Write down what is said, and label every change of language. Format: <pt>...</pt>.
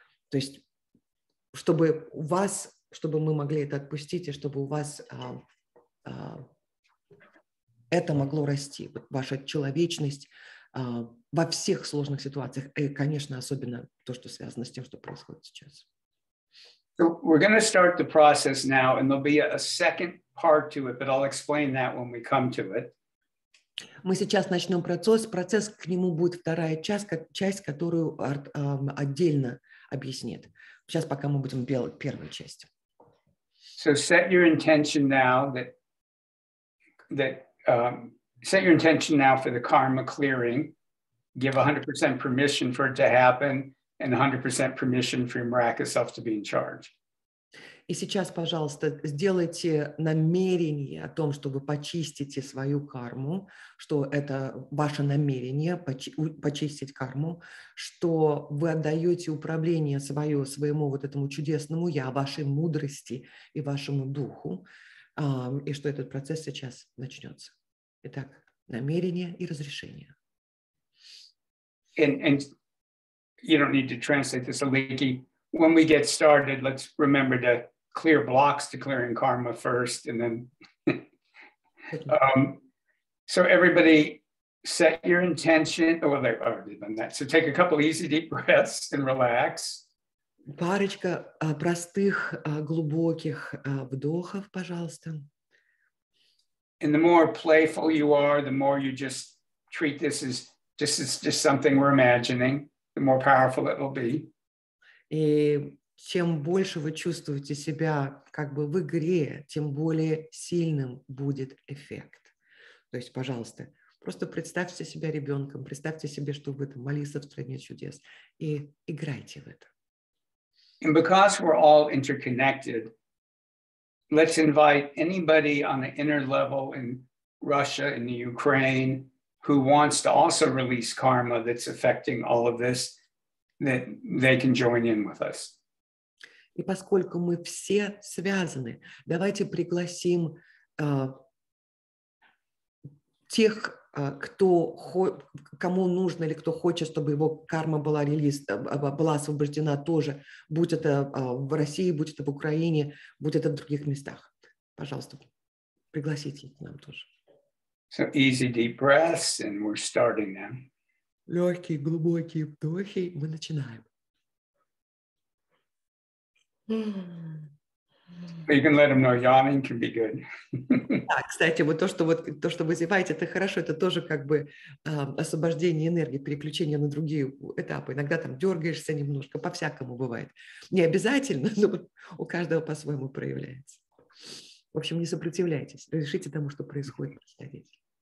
<ru>То есть, чтобы у вас, чтобы мы могли это отпустить, и чтобы у вас это могло расти, ваша человечность во всех сложных ситуациях, и, конечно, особенно то, что связано с тем, что происходит сейчас.</ru> <en>So we're going to start the process now, and there'll be a second part to it, but I'll explain that when we come to it.</en> <ru>Мы сейчас начнем процесс. Процесс к нему будет вторая часть, как часть, которую Арт отдельно объяснит. Сейчас пока мы будем делать первую часть.</ru> <en>So set your intention now set your intention now for the karma clearing. Give 100% permission for it to happen and 100% permission for your miraculous self to be in charge.</en> <ru>И сейчас, пожалуйста, сделайте намерение о том, чтобы почистить свою карму, что это ваше намерение почистить карму, что вы отдаете управление свое, своему вот этому чудесному я, вашей мудрости и вашему духу, и что этот процесс сейчас начнется. Итак, намерение и разрешение.</ru> <en>And you don't need to translate this, Aliki. When we get started, let's remember to clear blocks to clearing karma first, and then. So everybody, set your intention. Oh, well, they've already done that. So take a couple easy deep breaths and relax.</en> <ru>Парочка простых глубоких вдохов, пожалуйста.</ru> <en>And the more playful you are, the more you just treat this as. This is just something we're imagining, the more powerful it will be.</en> <ru>И чем больше вы чувствуете себя как бы в игре, тем более сильным будет эффект. То есть, пожалуйста, просто представьте себя ребенком, представьте себе, что вы там Алиса в стране чудес, и играйте в это.</ru> <en>And because we're all interconnected, let's invite anybody on the inner level in Russia, in the Ukraine, who wants to also release karma that's affecting all of this, that they can join in with us.</en> <ru>И поскольку мы все связаны, давайте пригласим тех, кто кому нужно или кто хочет, чтобы его карма была была освобождена тоже, будь это в России, будь это в Украине, будь это в других местах. Пожалуйста, пригласите их нам тоже.</ru> <en>So easy deep breaths, and we're starting now.</en> <ru>Легкие, глубокие вдохи, мы начинаем.</ru> <en>You can let them know yawning can be good.</en> <ru>Да, кстати, то, что вы зеваете, это хорошо, это тоже как бы освобождение энергии, переключение на другие этапы. Иногда там дергаешься немножко, по-всякому бывает. Не обязательно, но у каждого по-своему проявляется. В общем, не сопротивляйтесь, разрешите тому, что происходит, представитель.</ru>